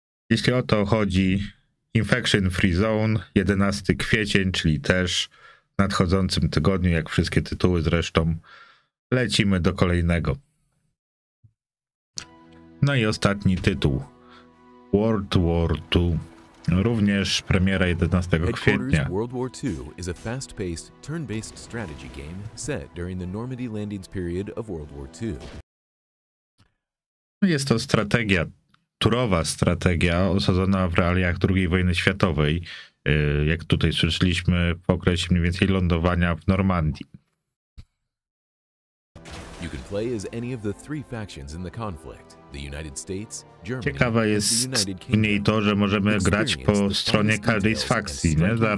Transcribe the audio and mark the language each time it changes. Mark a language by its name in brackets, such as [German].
[Polish] Jeśli o to chodzi, Infection Free Zone, 11 kwiecień, czyli też w nadchodzącym tygodniu, jak wszystkie tytuły zresztą, lecimy do kolejnego. No i ostatni tytuł. World War II. Również premiera 11 kwietnia. [English] World War II is a fast-paced, turn-based strategy game set during the Normandy landings period of World War II. [Polish] Jest to strategia, turowa strategia, osadzona w realiach II wojny światowej, jak tutaj słyszeliśmy, w okresie mniej więcej lądowania w Normandii. [English] You can play as any of the three factions in the conflict. [Polish] Ciekawe jest w niej to, że możemy grać po stronie każdej z frakcji, nie?